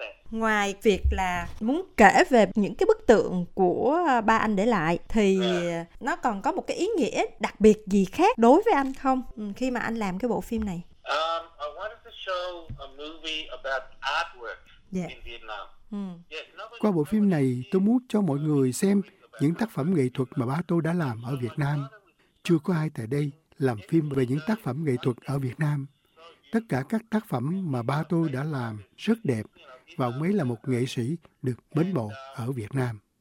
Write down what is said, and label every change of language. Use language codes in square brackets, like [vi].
[vi] Ngoài việc là muốn kể về những cái bức tượng của ba anh để lại, thì nó còn có một cái ý nghĩa đặc biệt gì khác đối với anh không khi mà anh làm cái bộ phim này? [en] I wanted to show a movie about artwork in Vietnam. [vi] Qua bộ phim này, tôi muốn cho mọi người xem những tác phẩm nghệ thuật mà ba tôi đã làm ở Việt Nam. Chưa có ai tại đây làm phim về những tác phẩm nghệ thuật ở Việt Nam. Tất cả các tác phẩm mà ba tôi đã làm rất đẹp và ông ấy là một nghệ sĩ được mến mộ ở Việt Nam.